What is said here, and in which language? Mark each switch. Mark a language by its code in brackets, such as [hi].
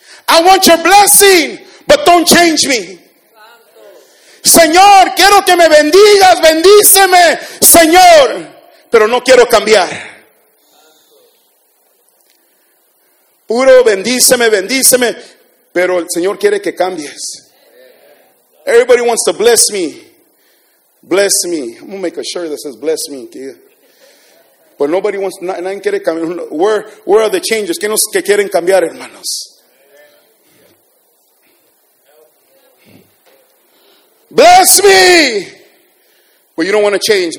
[en] I want your blessing, but don't change me. [es] Señor, quiero que me bendigas, bendíceme, Señor, pero no quiero cambiar. Puro bendíceme, bendíceme, pero el Señor quiere que cambies. [en] Everybody wants to bless me. Bless me. I'm going to make a shirt that says bless me. Kid. But nobody wants, [es] nadie quiere cambiar. [en] Where are the changes? [es] ¿Quién es que quieren cambiar, hermanos? [en] Bless me, but you don't want to change.